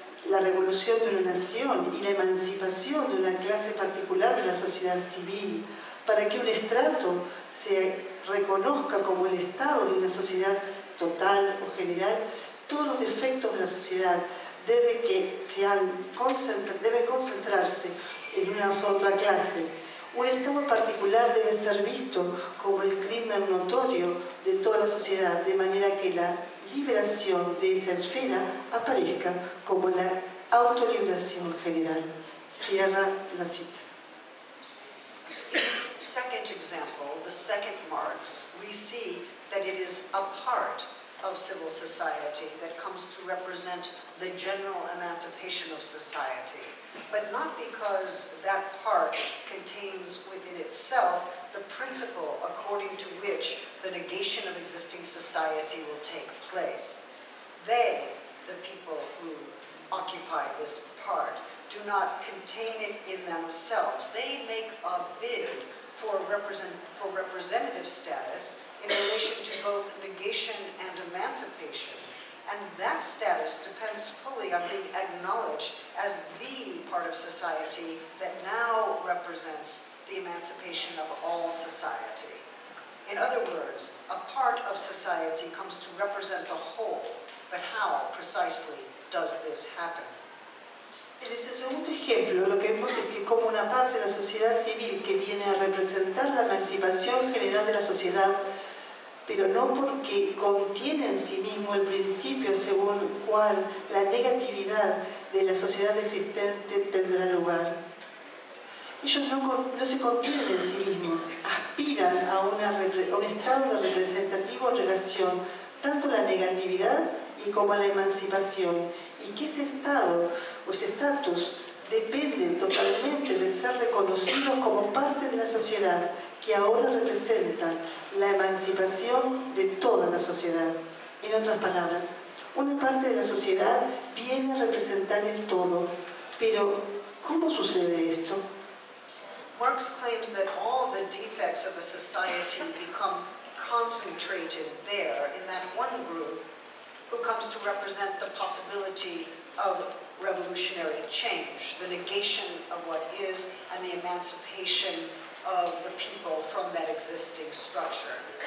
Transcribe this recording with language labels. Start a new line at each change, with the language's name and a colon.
Spanish: la revolución de una nación y la emancipación de una clase particular de la sociedad civil, para que un estrato se reconozca como el estado de una sociedad total o general, todos los defectos de la sociedad deben concentrarse en una otra clase. Un estado particular debe ser visto como el crimen notorio de toda la sociedad, de manera que la liberación de esa esfera aparezca como la autoliberación general. Cierra la cita.
English: Second example, the second Marx, we see that it is a part, of civil society that comes to represent the general emancipation of society, but not because that part contains within itself the principle according to which the negation of existing society will take place. They, the people who occupy this part, do not contain it in themselves. They make a bid for representative status in relation to both negation and emancipation. And that status depends fully on being acknowledged as the part of society that now represents the emancipation of all society. In other words, a part of society comes to represent the whole, but how precisely does this happen?
Spanish: En este segundo ejemplo, lo que vemos es que como una parte de la sociedad civil que viene a representar la emancipación general de la sociedad, pero no porque contiene en sí mismo el principio según el cual la negatividad de la sociedad existente tendrá lugar. Ellos no se contienen en sí mismos, aspiran a un estado de representativo en relación tanto a la negatividad y como a la emancipación, y que ese estado o ese estatus depende totalmente de ser reconocido como parte de la sociedad que ahora representa la emancipación de toda la sociedad. En otras palabras, una parte de la sociedad viene a representar el todo, pero ¿cómo sucede esto?
English: Marx claims that all the defects of a society become concentrated there in that one group who comes to represent the possibility of revolutionary change, the negation of what is, and the emancipation of the people from that existing structure.